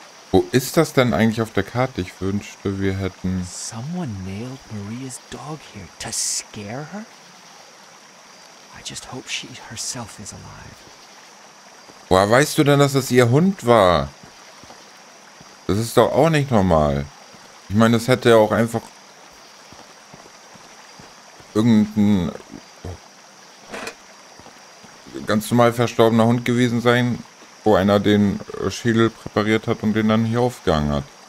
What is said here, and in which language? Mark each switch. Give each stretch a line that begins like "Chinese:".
German: Wo ist das denn eigentlich auf der Karte? Ich wünschte, wir hätten.
English: Someone nailed Maria's dog here to scare her? I just hope she herself is alive.
German: Woher weißt du denn, dass das ihr Hund war? Das ist doch auch nicht normal. Ich meine, das hätte ja auch einfach irgendein ganz normal verstorbener Hund gewesen sein, wo einer den Schädel präpariert hat und den dann hier aufgehangen hat.